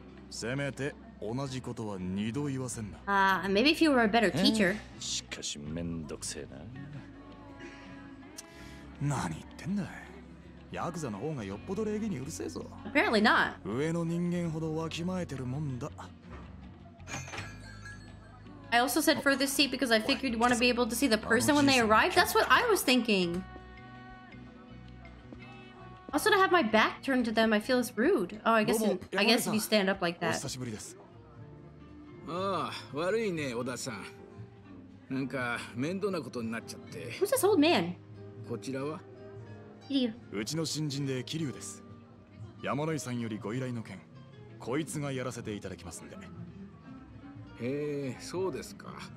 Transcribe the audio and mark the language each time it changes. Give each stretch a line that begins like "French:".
Japanese: せめて同じことは二度言わせんな。
English: Maybe if you were a better teacher.
Japanese: しかしめんどくせえな。何言ってんだい。ヤクザの方がよっぽど礼儀にうるせえぞ。
English: Apparently not.
Japanese: 上の人間ほどわきまえてるもんだ。
English: I also said for this seat because I figured you'd want to be able to see the person when they arrive. That's what I was thinking. Also, to have my back turned to them, I feel is rude. Oh, I guess if you stand up like that.
Japanese: お久しぶりです。ああ、悪いね、小田さん。なんか面倒なことになっちゃって。
English: Who's this old man?
Japanese: こちらは？キリュウ。うちの新人でキリュウです。山野井さんよりご依頼の件、こいつがやらせていただきますんで。へえ、そうですか。